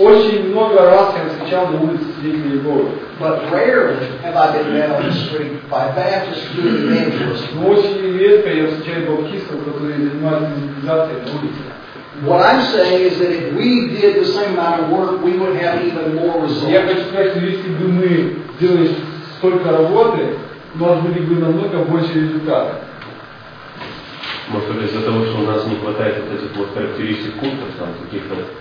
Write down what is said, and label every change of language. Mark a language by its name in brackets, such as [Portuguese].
[Russian] Очень много раз я встречал на улице свидетелей Божьих. [English] But rarely have I been met on the street by Baptist student evangelists. [Russian] Но очень редко я встречаю баптистов, которые занимаются евангелизацией на улице. [English] What I'm saying is that if we did the same amount of work, we would have even more results. [Russian] Я хочу сказать, что если бы мы делали столько работы, у нас были бы намного больше результатов. Может быть, из-за того, что у нас не хватает вот этих вот характеристик культов, там, каких-то